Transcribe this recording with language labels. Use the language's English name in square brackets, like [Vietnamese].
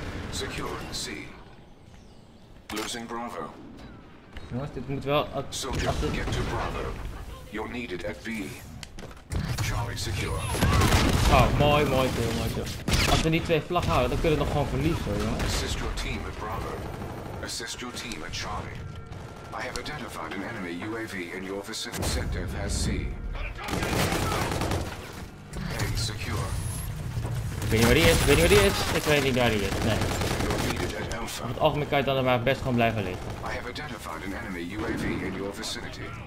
[English] Secure C. Losing Bravo. [Dutch] Jongens, dit moet wel. [English] Soldier, get to Bravo. You're needed at B. Charlie secure. [Dutch] Oh, mooi, mooi, mooi, mooi. Als we die twee vlag houden, dan kunnen we nog gewoon verliezen, jongen. [English] Assist your team at Bravo. Assist your team at Charlie. I have identified an enemy UAV in your vicinity. Sector has C. A secure. [Dutch] Ik weet niet waar die is, Ik weet niet waar die is, nee. [English] You're needed at Alpha. [Dutch] Op het algemeen kan je dan er maar best gewoon blijven liggen. [English] I have identified an enemy UAV in your vicinity.